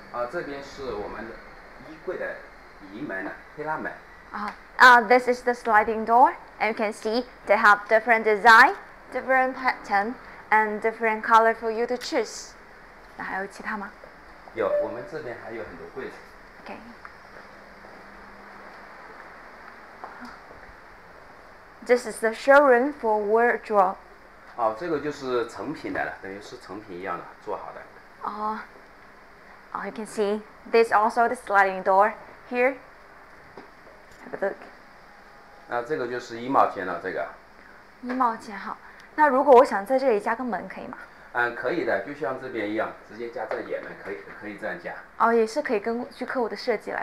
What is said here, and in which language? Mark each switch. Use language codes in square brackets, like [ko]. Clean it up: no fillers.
[zh] 这边是我们的衣柜的移门的推拉门。 [en] this is the sliding door, and you can see they have different design, different pattern, and different color for you to choose. [zh] 那还有其他吗？有，我们这边还有很多柜子。 [en] Okay. [zh] 这是 [en] the showroom for wardrobe. [zh] 哦，这个就是成品的了，等于是成品一样的做好的。 [en] you can see this also the sliding door here. [zh] 那这个就是衣帽间了，这个。衣帽间好，那如果我想在这里加个门，可以吗？可以的，就像这边一样，直接加这个掩门，可以这样加。哦，也是可以根据客户的设计来吧。